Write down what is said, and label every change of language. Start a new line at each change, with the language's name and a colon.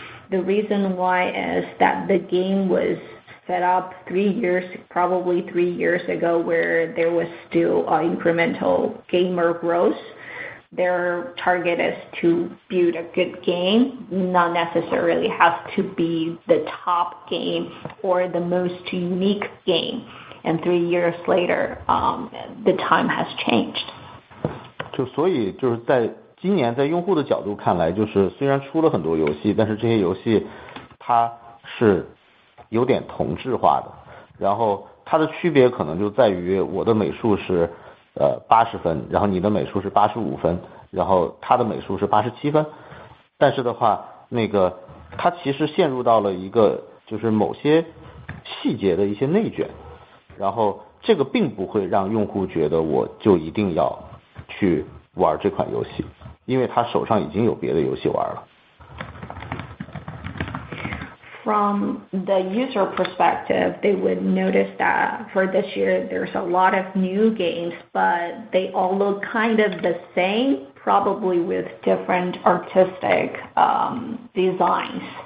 English: The reason why is that the game was set up probably three years ago where there was still incremental gamer growth. Their target is to build a good game, not necessarily has to be the top game or the most unique game. And 3 years later, the time has changed.
Chinese: 就所以就是在今年在用户的角度看来，就是虽然出了很多游戏，但是这些游戏它是有点同质化的，然后它的区别可能就在于我的美术是80分，然后你的美术是85分，然后他的美术是87分，但是的话那个他其实陷入到了一个就是某些细节的一些内卷，然后这个并不会让用户觉得我就一定要去玩这款游戏，因为他手上已经有别的游戏玩了。
English: From the user perspective, they would notice that for this year, there's a lot of new games, but they all look kind of the same, probably with different artistic designs.